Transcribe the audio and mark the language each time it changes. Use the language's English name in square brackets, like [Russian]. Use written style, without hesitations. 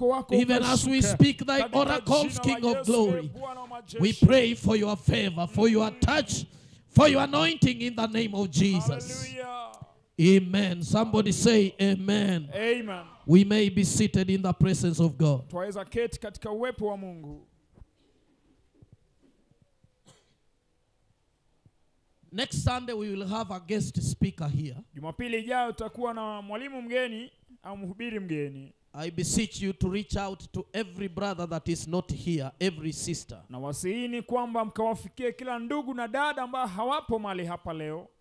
[English] Even as we speak thy oracles, King of glory, we pray for your favor, for your touch, for your anointing in the name of Jesus. Hallelujah. Amen. Somebody say amen. Amen. We may be seated in the presence of God. [Swahili] Twaweza keti katika uwepo wa Mungu. [English] Next Sunday we will have a guest speaker here. [Swahili] Jumapili ijayo tutakuwa na mwalimu mgeni au mhubiri mgeni. [English] I beseech you to reach out to every brother that is not here, every sister. [Swahili] Na wasiini kwamba mkawafikie kila ndugu na dada ambao hawapo mali hapa leo.